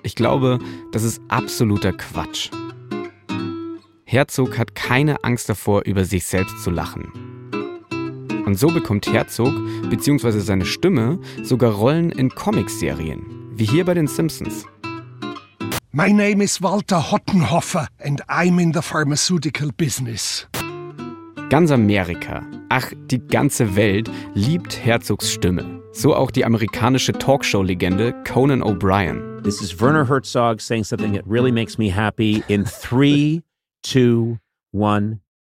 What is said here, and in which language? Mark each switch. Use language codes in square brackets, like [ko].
[de] Ich glaube, das ist absoluter Quatsch. Herzog hat keine Angst davor, über sich selbst zu lachen. Und so bekommt Herzog bzw. seine Stimme sogar Rollen in Comicserien, wie hier bei den Simpsons. [en] My name is Walter Hottenhofer and I'm in the pharmaceutical business. [de] Ganz Amerika, ach, die ganze Welt liebt Herzogs Stimme. So auch die amerikanische Talkshow-Legende Conan O'Brien. [en] This is Werner Herzog saying something that really makes me happy in 3, 2, 1.